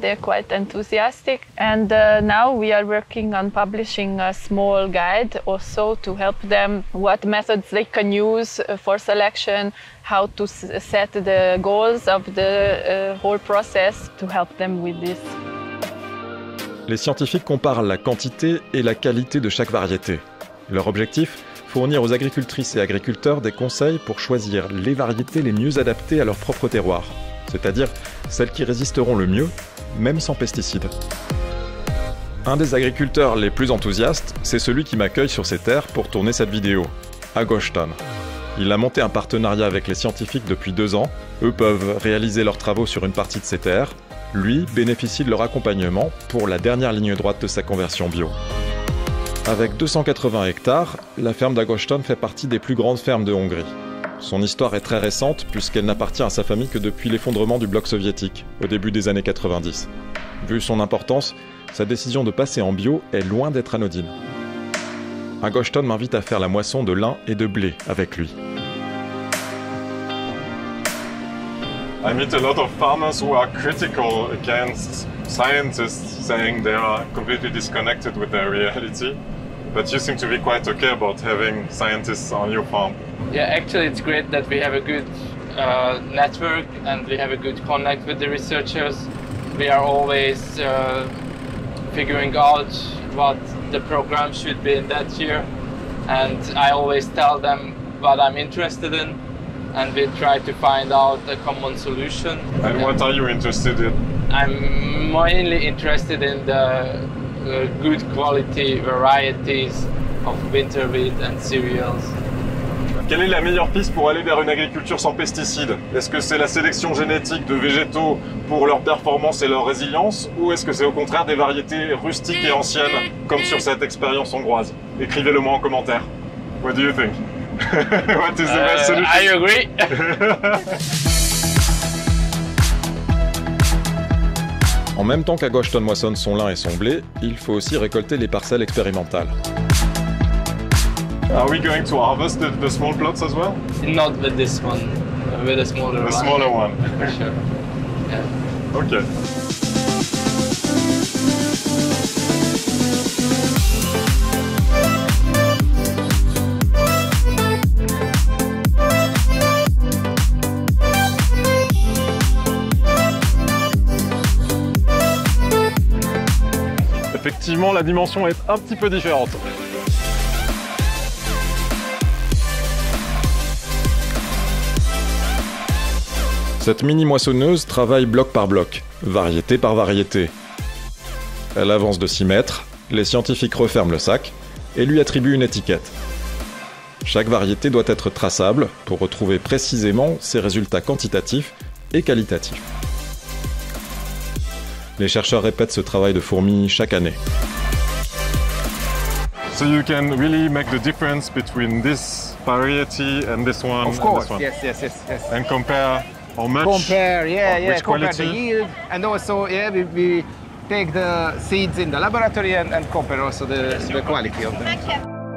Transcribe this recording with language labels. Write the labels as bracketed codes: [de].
[en] They're quite enthusiastic. And now we are working on publishing a small guide also to help them what methods they can use for selection, how to set the goals of the whole process to help them with this. [fr] Les scientifiques comparent la quantité et la qualité de chaque variété. Leur objectif? Fournir aux agricultrices et agriculteurs des conseils pour choisir les variétés les mieux adaptées à leur propre terroir, c'est-à-dire celles qui résisteront le mieux, même sans pesticides. Un des agriculteurs les plus enthousiastes, c'est celui qui m'accueille sur ses terres pour tourner cette vidéo, Agoston. Il a monté un partenariat avec les scientifiques depuis 2 ans, eux peuvent réaliser leurs travaux sur une partie de ses terres, lui bénéficie de leur accompagnement pour la dernière ligne droite de sa conversion bio. Avec 280 hectares, la ferme d'Agoston fait partie des plus grandes fermes de Hongrie. Son histoire est très récente puisqu'elle n'appartient à sa famille que depuis l'effondrement du bloc soviétique, au début des années 90. Vu son importance, sa décision de passer en bio est loin d'être anodine. Agoston m'invite à faire la moisson de lin et de blé avec lui. [en] I meet a lot of farmers who are critical against scientists saying they are completely disconnected with their reality. But you seem to be quite okay about having scientists on your farm. Yeah, actually it's great that we have a good network and we have a good connect with the researchers. We are always figuring out what the program should be in that year. And I always tell them what I'm interested in. And we try to find out a common solution. And what are you interested in? I'm mainly interested in the good quality varieties of winter wheat and cereals. [fr] Quelle est la meilleure piste pour aller vers une agriculture sans pesticides? Est-ce que c'est la sélection génétique de végétaux pour leur performance et leur résilience, ou est-ce que c'est au contraire des variétés rustiques et anciennes, comme sur cette expérience hongroise? Écrivez-le moi en commentaire. [en] What do you think? What is the best solution? I agree. [fr] En même temps qu'à Goshton moissonne son lin et son blé, il faut aussi récolter les parcelles expérimentales. [en] Are we going to harvest the small plots as well? Not with this one, with the smaller one. The smaller one. For sure. Yeah. Okay. [fr] Effectivement, la dimension est un petit peu différente. Cette mini moissonneuse travaille bloc par bloc, variété par variété. Elle avance de 6 mètres, les scientifiques referment le sac et lui attribuent une étiquette. Chaque variété doit être traçable pour retrouver précisément ses résultats quantitatifs et qualitatifs. Les chercheurs répètent ce travail de fourmi chaque année. [en] So you can really make the difference between this variety and this one. Of course, and this one. Yes. And compare how much. Which quality. Compare the yield, and also we take the seeds in the laboratory and compare also the quality of them.